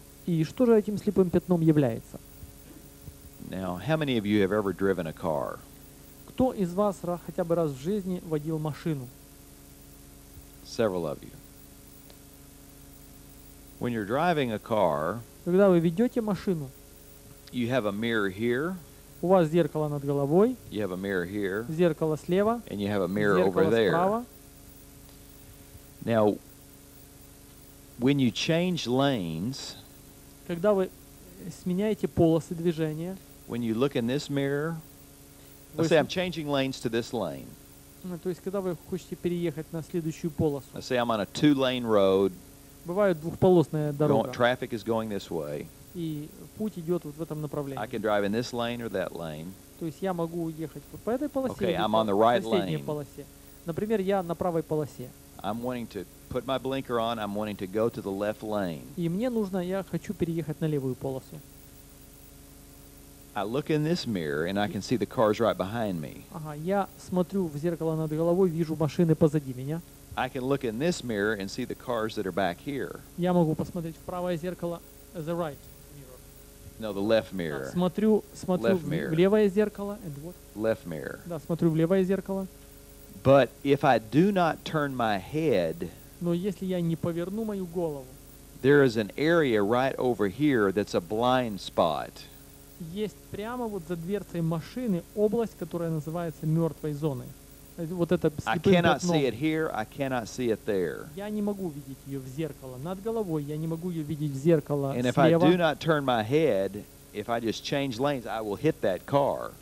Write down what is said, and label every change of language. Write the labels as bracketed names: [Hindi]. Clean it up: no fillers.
[Russian] И что же этим слепым пятном является? [English] Now, how many of you have ever driven a car? [Russian] Кто из вас хотя бы раз в жизни водил машину? [English] Several of you. When you're driving a car, [Russian] когда вы ведете машину, [English] you have a mirror here. [Russian] У вас зеркало над головой. [English] You have a mirror here. [Russian] Зеркало слева. [English] And you have a mirror over there. [Russian] Справа. [English] Now, when you change lanes, [Russian] когда вы сменяете полосы движения, [English] when you look in this mirror, let's say I'm changing lanes to this lane. [Russian] То есть, когда вы хотите переехать на следующую полосу. [English] Let's say I'm on a two-lane road. [Russian] Бывает двухполосная дорога. [English] Traffic is going this way. [Russian] И путь идет вот в этом направлении. [English] I can drive in this lane or that lane. [Russian] То есть, я могу ехать по этой полосе. [English] Okay, I'm on the right lane. [Russian] Полосе. Например, я на правой полосе. [English] I'm wanting to put my blinker on. I'm wanting to go to the left lane. [Russian] И мне нужно, я хочу переехать на левую полосу. [English] I look in this mirror and I can see the cars right behind me. [Russian] Ага, я смотрю в зеркало над головой, вижу машины позади меня. [English] I can look in this mirror and see the cars that are back here. [Russian] Я могу посмотреть в правое зеркало, [English] the right mirror. No, the left mirror. [Russian] Смотрю в левое зеркало, [English] and what? Left mirror. [Russian] Да, смотрю в левое зеркало. [English] But if I do not turn my head, [Russian] но если я не поверну мою голову, [English] there is an area right over here that's a blind spot. [Russian] Есть прямо вот за дверцей машины область, которая называется мертвой зоной. Вот это [English] I cannot see it here, I cannot see it there. [Russian] Я не могу видеть ее в зеркало над головой, я не могу ее видеть в зеркало [English] and [Russian] слева. [English] And if I do not turn my head, if I just change lanes, I will hit that car.